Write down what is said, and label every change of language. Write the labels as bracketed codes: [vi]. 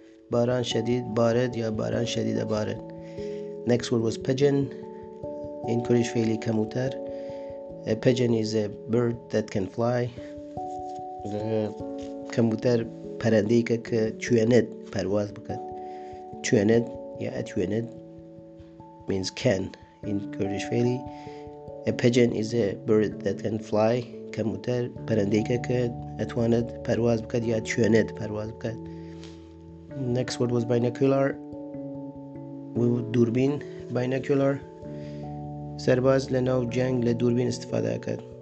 [fa] باران شدید بارد یا باران شدید بارد. [en] Next word was pigeon. In Kurdish Feli کموتر. A pigeon is a bird that can fly. [fa] کموتر پرنده‌ای که چواند پرواز بکند. چواند یا اتواند [en] means can in Kurdish Feli. A pigeon is a bird that can fly. [fa] کموتر پرنده‌ای که اتواند پرواز بکند یا چواند پرواز بکند. [en] Next word was binocular. دوربین binocular. [fa] سرباز لناو جنگ لدوربین استفاده کرد.